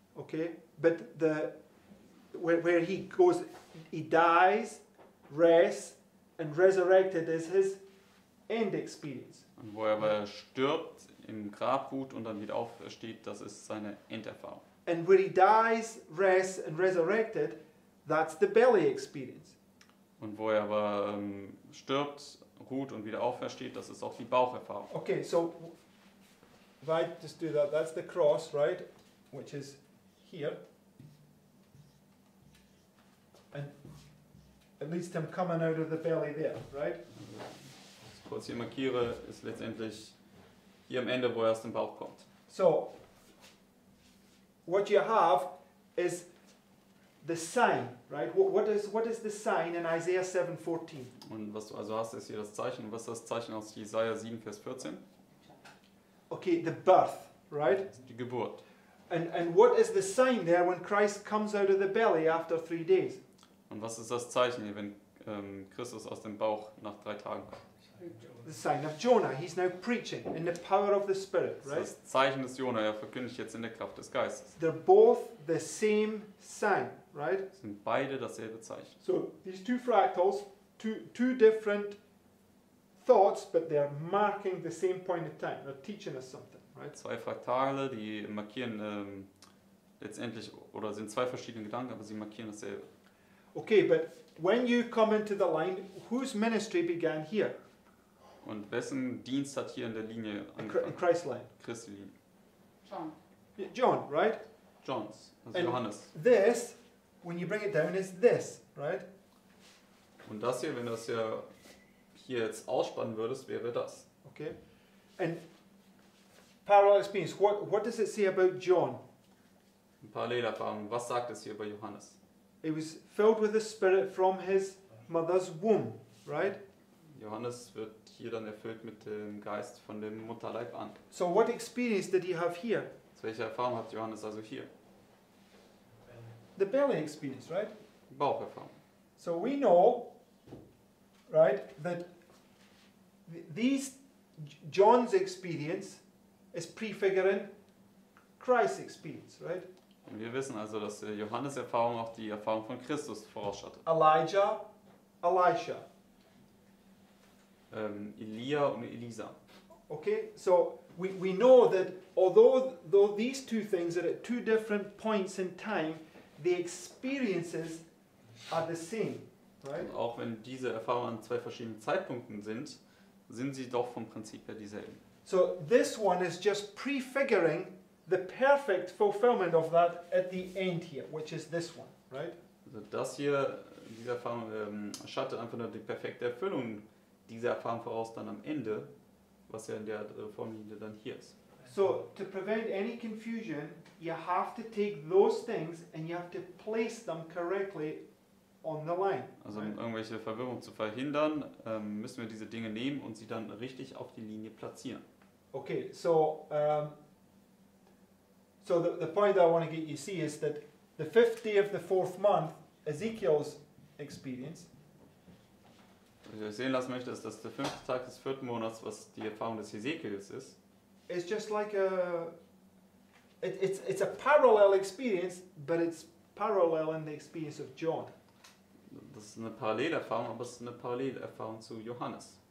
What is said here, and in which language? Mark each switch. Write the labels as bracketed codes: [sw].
[en] Okay, but the where he goes, he dies, rests, and resurrected is his end experience. [de] Und wo er aber stirbt, im Grab ruht und dann wieder aufersteht, das ist seine Enderfahrung. [en] And where he dies, rests, and resurrected, that's the belly experience. [de] Und wo er aber stirbt, ruht und wieder aufersteht, das ist auch die Baucherfahrung. [en] Okay, so if I just do that, that's the cross, right, which is here, and at least I'm coming out of the belly there, right? [de] Also, was kurz hier markiere, ist letztendlich hier am Ende, wo er aus dem Bauch kommt. [en] So, what you have is the sign, right? What is the sign in Isaiah 7:14? [de] Und was du also hast, ist hier das Zeichen. Was ist das Zeichen aus Jesaja 7, Vers 14? [en] Okay, the birth, right? [de] Die Geburt. [en] And what is the sign there when Christ comes out of the belly after 3 days? [de] Und was ist das Zeichen hier, wenn Christus aus dem Bauch nach 3 Tagen kommt? [en] The sign of Jonah, he's now preaching in the power of the Spirit, right? [de] Das Zeichen des Jonah, er verkündigt jetzt in der Kraft des Geistes. [en] They're both the same sign, right? [de] Sind beide dasselbe Zeichen. [en] So, these two fractals, two different thoughts, but they're marking the same point of time. They're teaching us something, right? [de] Zwei Fraktale, die markieren letztendlich, oder sind zwei verschiedene Gedanken, aber sie markieren dasselbe. [en] Okay, but when you come into the line, whose ministry began here? [de] Und wessen Dienst hat hier in der Linie angefangen? [en] In Christ's line. [de] Christi Linie. [en] John, right? [de] John's, also and Johannes. [en] This, when you bring it down, is this, right? [de] Und das hier, wenn du das hier jetzt ausspannen würdest, wäre das. [en] Okay. And parallel experience, what does it say about John? [de] Parallelerfahrung, was sagt es hier über Johannes? [en] He was filled with the Spirit from his mother's womb, right? [de] Johannes wird hier dann erfüllt mit dem Geist von dem Mutterleib an. [en] So what experience did he have here? So [de] welche Erfahrung hat Johannes also hier? [en] The belly experience, right? [de] Baucherfahrung. [en] So we know, right, that these John's experience is prefiguring Christ's experience, right? [de] Und wir wissen also, dass Johannes Erfahrung auch die Erfahrung von Christus vorausschattet. [en] Elijah, Elisha. [de] Elia und Elisa. [en] Okay, so we know that although these two things are at two different points in time, the experiences are the same, right? [de] Und auch wenn diese Erfahrungen an zwei verschiedenen Zeitpunkten sind, sind sie doch vom Prinzip her dieselben. [en] So this one is just prefiguring the perfect fulfillment of that at the end here, which is this one, right? [de] Also das hier, diese Erfahrung schattet einfach nur die perfekte Erfüllung diese Erfahrung voraus dann am Ende, was ja in der Formlinie dann hier ist. [en] So, to prevent any confusion, you have to take those things and you have to place them correctly on the line. [de] Also, um irgendwelche Verwirrung zu verhindern, müssen wir diese Dinge nehmen und sie dann richtig auf die Linie platzieren. [en] Okay, so so the point that I want to get you see is that the fifth day of the fourth month, Ezekiel's experience. [de] Was ich euch sehen lassen möchte, ist, dass der fünfte Tag des vierten Monats, was die Erfahrung des Hesekiels ist, [en] it's just like it's a parallel experience, but it's parallel in the experience of John. [de] Das ist eine Parallelerfahrung, aber es ist eine Parallelerfahrung zu Johannes.